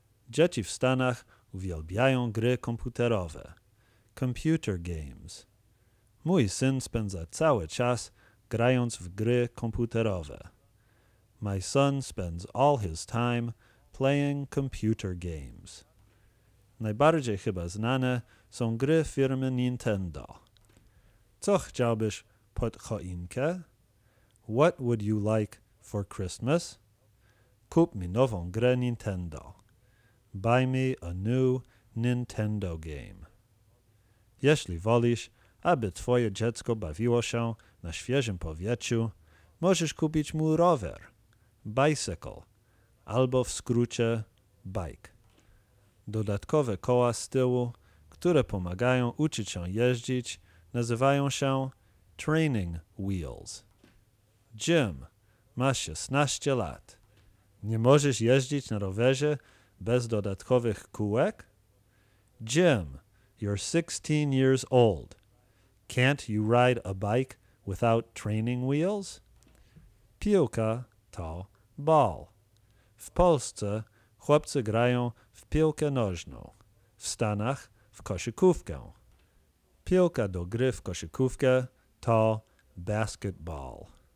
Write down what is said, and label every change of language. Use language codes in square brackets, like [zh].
[pl] Dzieci w Stanach uwielbiają gry komputerowe. [en] Computer games. [pl] Mój syn spędza cały czas grając w gry komputerowe. [en] My son spends all his time playing computer games. [pl] Najbardziej chyba znane są gry firmy Nintendo. Co chciałbyś pod choinkę? [en] What would you like for Christmas? [pl] Kup mi nową grę Nintendo. [en] Buy me a new Nintendo game. [pl] Jeśli wolisz, aby twoje dziecko bawiło się na świeżym powietrzu, możesz kupić mu rower, bicycle, albo w skrócie bike. Dodatkowe koła z tyłu, które pomagają uczyć się jeździć, nazywają się training wheels. Jim, masz 16 lat. Nie możesz jeździć na rowerze bez dodatkowych kółek? [en] Jim, you're 16 years old. Can't you ride a bike without training wheels? [pl] Piłka to ball. W Polsce chłopcy grają w piłkę nożną. W Stanach w koszykówkę. Piłka do gry w koszykówkę to basketball.